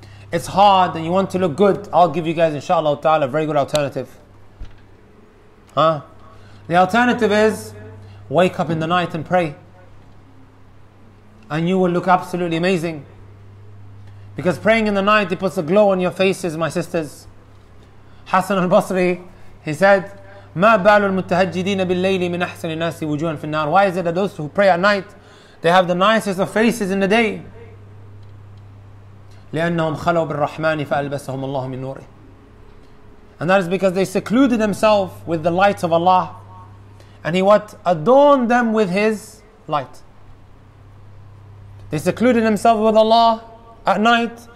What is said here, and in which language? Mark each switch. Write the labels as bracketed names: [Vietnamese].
[English] It's hard and you want to look good. I'll give you guys, inshallah ta'ala, a very good alternative. Huh? The alternative is, wake up in the night and pray. And you will look absolutely amazing. Because praying in the night, it puts a glow on your faces, my sisters. [Arabic] Hassan al-Basri, [English] he said, [Arabic] مَا بَالُ الْمُتَّهَجِّدِينَ بِاللَّيْلِ مِنْ أَحْسَنِ النَّاسِ وُجُوهًا فِي النَّارِ. [English] Why is it that those who pray at night, they have the nicest of faces in the day? [Arabic] لِأَنَّهُمْ خَلَوْا بِالرَّحْمَانِ فَأَلْبَسَهُمُ اللَّهُ مِنْ نُورِهِ. [English] And that is because they secluded themselves with the light of Allah. And He what? Adorned them with His light. They secluded themselves with Allah at night.